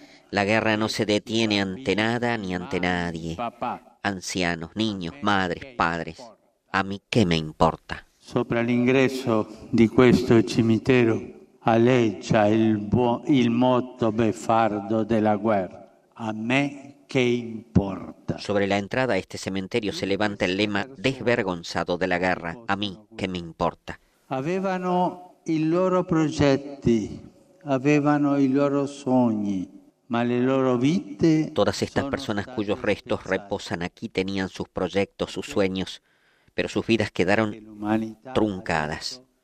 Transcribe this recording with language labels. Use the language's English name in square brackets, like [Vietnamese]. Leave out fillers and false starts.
[Spanish] La guerra no se detiene ante nada ni ante nadie. Ancianos, niños, madres, padres. ¿A mí qué me importa? [Italian] Sopra l'ingresso di questo cimitero aleggia il motto beffardo della guerra. [Spanish] ¿A mí qué importa? Sobre la entrada a este cementerio se levanta el lema desvergonzado de la guerra, a mí, ¿qué me importa? [Italian] Avevano i loro progetti, avevano i loro sogni, ma le loro vite. [Spanish] Todas estas personas cuyos restos reposan aquí tenían sus proyectos, sus sueños, pero sus vidas quedaron truncadas.